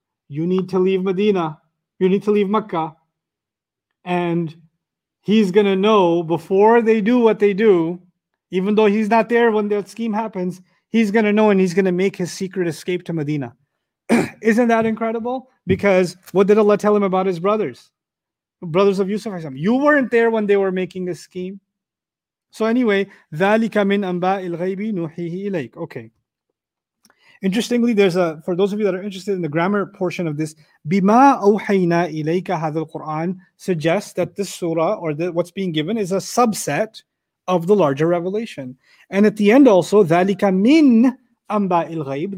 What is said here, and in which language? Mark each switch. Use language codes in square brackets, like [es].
[en] You need to leave Medina. You need to leave Mecca. And he's going to know before they do what they do, even though he's not there when that scheme happens, he's going to know and he's going to make his secret escape to Medina. Isn't that incredible? Because what did Allah tell him about his brothers? Brothers of Yusuf, you weren't there when they were making the scheme. So anyway, [ar] ذَلِكَ مِنْ أَنْبَاءِ الْغَيْبِ نُحِيهِ إِلَيْكَ. [en] Okay. Interestingly, for those of you that are interested in the grammar portion of this, [ar] بِمَا أَوْحَيْنَا إِلَيْكَ هَذَا الْقُرْآنَ [en] suggests that this surah, or what's being given, is a subset of the larger revelation. And at the end also, [ar] ذَلِكَ مِنْ أَنْبَاءِ الْغَيْبِ.